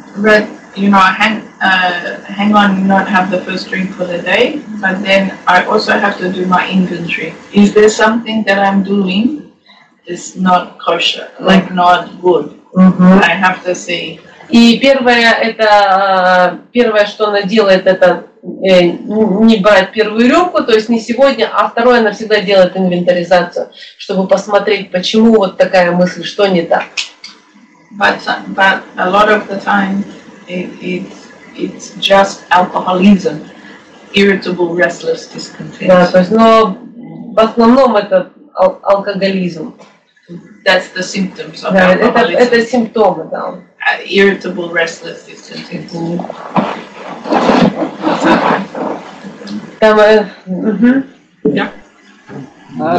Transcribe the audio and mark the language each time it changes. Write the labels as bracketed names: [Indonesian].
[English] But, you know, I hang on, not have the first drink for the day, but then I also have to do my inventory. Is there something that I'm doing that's not kosher, like not good? Mm-hmm. I have to see. [Russian] И первое, это первое, что она делает, это не брать первую рюмку, то есть не сегодня, а второе, она всегда делает инвентаризацию, чтобы посмотреть, почему вот такая мысль, что не так. [English] But a lot of the time it's just alcoholism, irritable, restless, discontent. [Russian] Да, то есть, но в основном это алкоголизм. [English] That's the symptoms of alcoholism. [Russian] Да, это симптомы, да. [English] Irritable, restless, discontent. [Russian] Там,